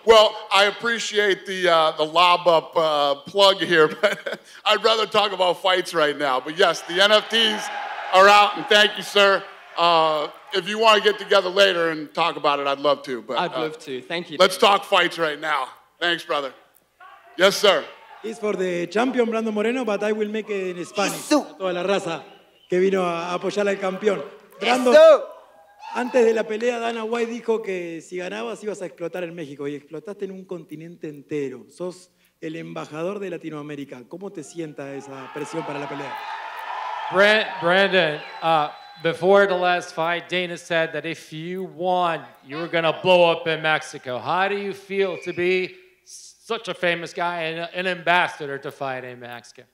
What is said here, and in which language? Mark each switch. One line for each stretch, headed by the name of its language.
English: Well, I appreciate the lob-up plug here, but I'd rather talk about fights right now. But yes, the NFTs are out, and thank you, sir. If you want to get together later and talk about it, I'd love to. But I'd love to. Thank you. Let's talk fights right now. Thanks, brother. Yes, sir. It's for the champion, Brandon Moreno, but I will make it in Spanish. Yes,
Spanish: toda la raza que vino a apoyar al campeón. Brandon, yes, antes de la pelea, Dana White dijo que si ganabas ibas a explotar en México y explotaste en un continente entero. Sos el embajador de Latinoamérica. ¿Cómo te sienta esa presión para la pelea?
English: Brandon, before the last fight, Dana said that if you won, you were going to blow up in Mexico. How do you feel to be such a famous guy and an ambassador to fight in Mexico?